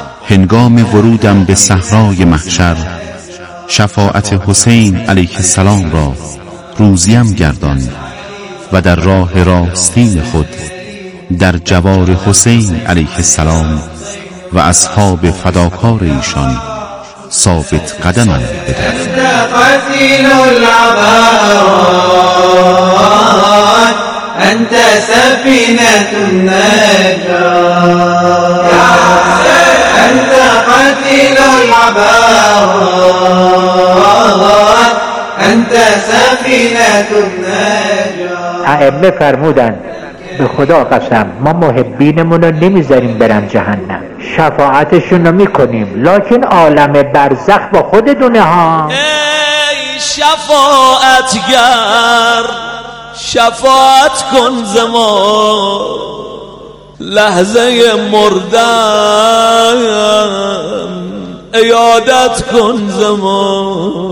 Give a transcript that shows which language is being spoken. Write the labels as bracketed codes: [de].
[fa] هنگام ورودم به صحرای محشر شفاعت حسین علیه السلام را روزیم گردان و در راه راستین خود در جوار حسین علیه السلام و اصحاب فداکار ایشان ثابت قدمم بدار. [ar] أنت سفينة النجاة يا حسين، أنت قتيل العبارات، أنت سفينة النجاة. [fa] ائمه فرمودند به خدا قسم ما محبینمون رو نمیذاریم برن جهنم، شفاعتشون رو میکنیم، لیکن عالم برزخ با خودتونه ها. ای شفاعتگر شفاعت کن زما لحظه مردم، عیادت کن زما